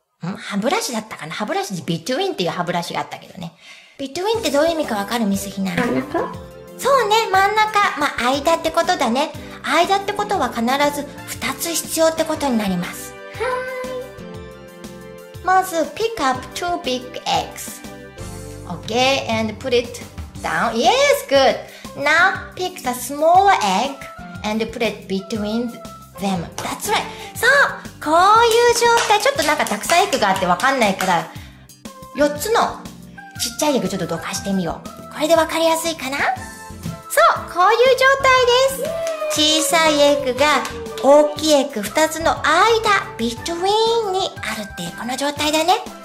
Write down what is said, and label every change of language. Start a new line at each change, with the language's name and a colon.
Japanese: 歯ブラシだったかな、歯ブラシで between っていう歯ブラシがあったけどね。 between ってどういう意味かわかる、ミスヒナ？真ん中。そうね、真ん中、まあ間ってことだね。間ってことは必ず2つ必要ってことになります。はい。
English: まず pick up two big eggs. Okay, and put it down. Yes, good. Now pick the small egg and put it between them. That's right.
Japanese: そう、こういう状態。ちょっとなんかたくさんエッグがあってわかんないから、4つのちっちゃいエッグちょっとどかしてみよう。これでわかりやすいかな？そう、こういう状態です。小さいエッグが大きいエッグ2つの間、between にあるっていうこの状態だね。